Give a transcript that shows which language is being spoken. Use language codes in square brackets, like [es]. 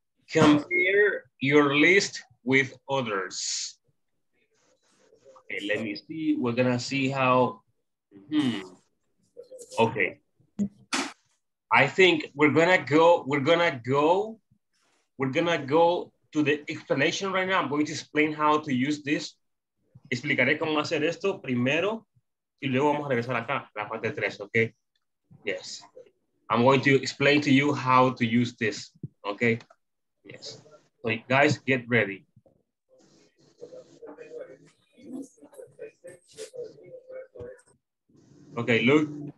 [en] Compare your list with others. Okay, let me see. We're gonna see how, okay. I think we're gonna go to the explanation right now. I'm going to explain how to use this. [es] Explicaré cómo hacer esto primero y luego vamos a regresar acá, la parte tres, okay? [en] Yes. I'm going to explain to you how to use this, okay? Yes. So you guys get ready. Okay, look.